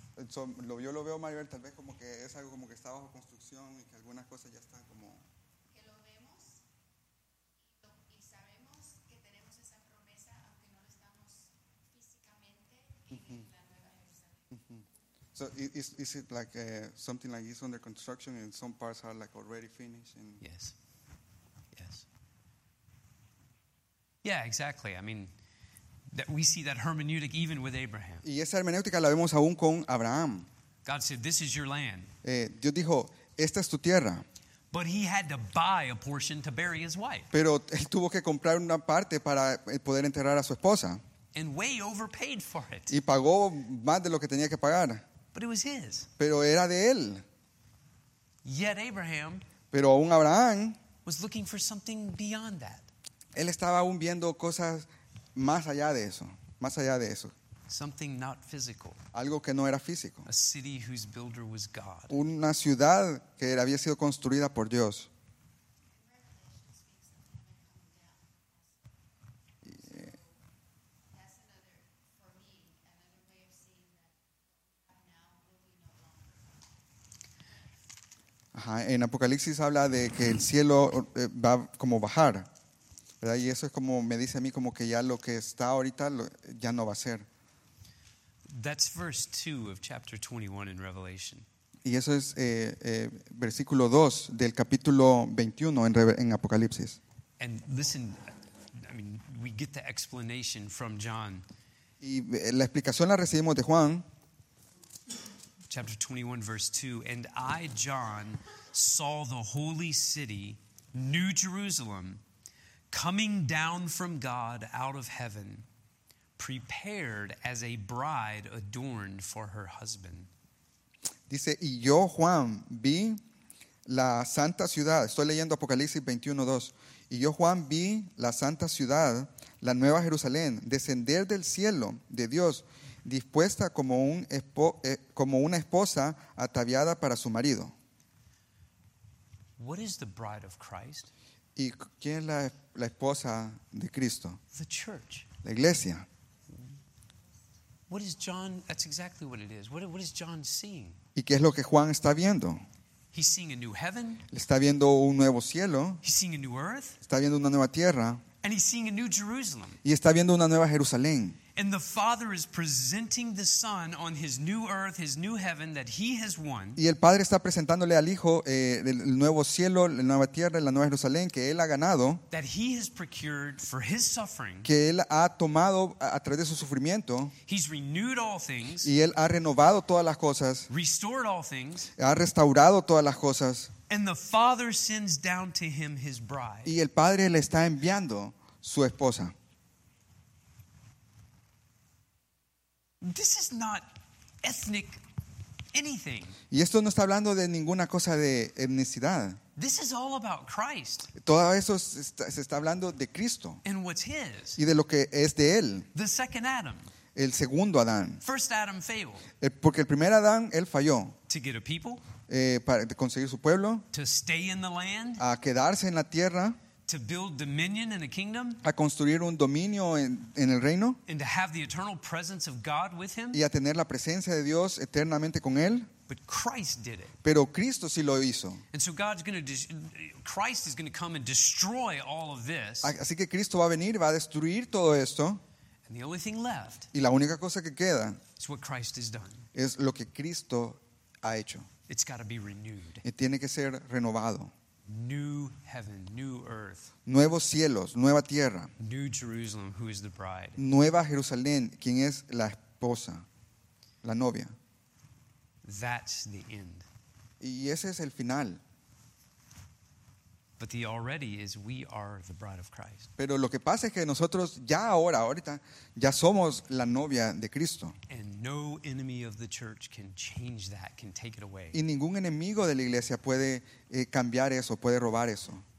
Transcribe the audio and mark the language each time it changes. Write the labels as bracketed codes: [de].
[es] So, yo lo veo, Maribel, tal vez como que es algo como que está bajo construcción y que algunas cosas ya están como... Que lo vemos y sabemos que tenemos esa promesa, aunque no lo estamos físicamente en [en] So is it like something like it's under construction and some parts are like already finished? And yes. Yes. Yeah, exactly. I mean, that we see that hermeneutic even with Abraham. [es] Y esa hermenéutica la vemos aún con Abraham. [en] God said, "This is your land." [es] Dios dijo, "Esta es tu tierra." [en] But he had to buy a portion to bury his wife. [es] Pero él tuvo que comprar una parte para poder enterrar a su esposa. [en] And way overpaid for it. [es] Y pagó más de lo que tenía que pagar. [en] But it was his. [es] Pero era de él. [en] Yet Abraham, [es] pero aún Abraham [en] was looking for something beyond that. [es] Él estaba aún viendo cosas más allá de eso, más allá de eso. [en] Something not physical. [es] Algo que no era físico. [en] A city whose builder was God. [es] Una ciudad que había sido construida por Dios. En Apocalipsis habla de que el cielo va como bajar, ¿verdad? Y eso es como me dice a mí como que ya lo que está ahorita ya no va a ser. [en] That's verse 2 of chapter 21 in Revelation. [es] Y eso es versículo 2 del capítulo 21 en Apocalipsis. [en] And listen, I mean, we get the explanation from John. [es] Y la explicación la recibimos de Juan. [en] Chapter 21, verse 2. And I, John, saw the holy city, New Jerusalem, coming down from God out of heaven, prepared as a bride adorned for her husband. [es] Dice, y yo, Juan, vi la santa ciudad. Estoy leyendo Apocalipsis 21:2. Y yo, Juan, vi la santa ciudad, la nueva Jerusalén, descender del cielo de Dios, dispuesta como un como una esposa ataviada para su marido. [en] What is the bride of Christ? [es] ¿Y quién es la esposa de Cristo? [en] The church. [es] La iglesia. [en] What is John? That's exactly what it is. What is John seeing? [es] ¿Y qué es lo que Juan está viendo? [en] He's seeing a new heaven. [es] Está viendo un nuevo cielo. [en] He's seeing a new earth. [es] Está viendo una nueva tierra. [en] And he's seeing a new Jerusalem. [es] Y está viendo una nueva Jerusalén. [en] And the Father is presenting the Son on his new earth, his new heaven that he has won. [es] Y el Padre está presentándole al Hijo el nuevo cielo, la nueva tierra, la nueva Jerusalén que él ha ganado. [en] That he has procured for his suffering. [es] Que él ha tomado a través de su sufrimiento. [en] He's renewed all things. [es] Y él ha renovado todas las cosas. [en] Restored all things. [es] Ha restaurado todas las cosas. [en] And the Father sends down to him his bride. [es] Y el Padre le está enviando su esposa. [en] This is not ethnic anything. [es] Y esto no está hablando de ninguna cosa de etnicidad. [en] This is all about Christ. [es] Todo eso se está hablando de Cristo. [en] And what's his. [es] Y de lo que es de él. [en] The second Adam. [es] El segundo Adán. [en] First Adam failed. [es] Porque el primer Adán, él falló. [en] To get a people. [es] Para conseguir su pueblo. [en] To stay in the land. [es] A quedarse en la tierra. [en] To build dominion in a kingdom, [es] a construir un dominio en el reino, [en] and to have the eternal presence of God with him, [es] y a tener la presencia de Dios eternamente con él. [en] But Christ did it. [es] Pero Cristo sí lo hizo. [en] And so God's going to, Christ is going to come and destroy all of this. [es] Así que Cristo va a venir, va a destruir todo esto. [en] And the only thing left, [es] y la única cosa que queda, [en] is what Christ has done. [es] Es lo que Cristo ha hecho. [en] It's got to be renewed. [es] Y tiene que ser renovado. [en] New heaven, new earth. [es] Nuevos cielos, nueva tierra. [en] New Jerusalem, who is the bride. [es] Nueva Jerusalén, quien es la esposa, la novia. [en] That's the end. [es] Y ese es el final. [en] But the already is we are the bride of Christ. [es] Pero lo que pasa es que nosotros ya ahora, ahorita, ya somos la novia de Cristo. [en] And no enemy of the church can change that, can take it away. [es] Y ningún enemigo de la iglesia puede cambiar eso, puede robar eso.